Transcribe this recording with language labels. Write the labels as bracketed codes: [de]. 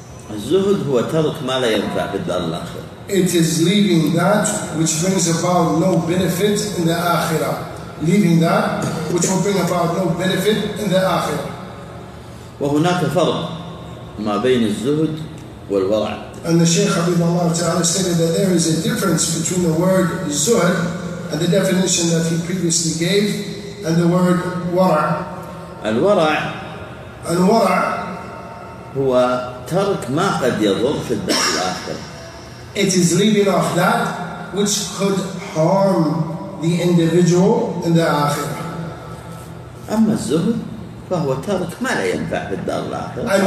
[ar] الزهد هو ترك ما لا ينفع في الدار الآخرة. [en] It is leaving that which brings about no benefit in the Akhirah. Leaving that which will bring about no benefit in the Akhirah. [ar] وهناك فرق ما بين الزهد والورع. [en] And the Shaykh Habib Allah Ta'ala stated that there is a difference between the word zuhd and the definition that he previously gave and the word ورع. [ar] الورع الورع هو ترك ما قد يضر في الدهر الآخر. [en] It is leaving off that which could harm the individual in the akhirah. [ar] أما الزهد فهو ترك ما لا ينفع في الدهر الآخر.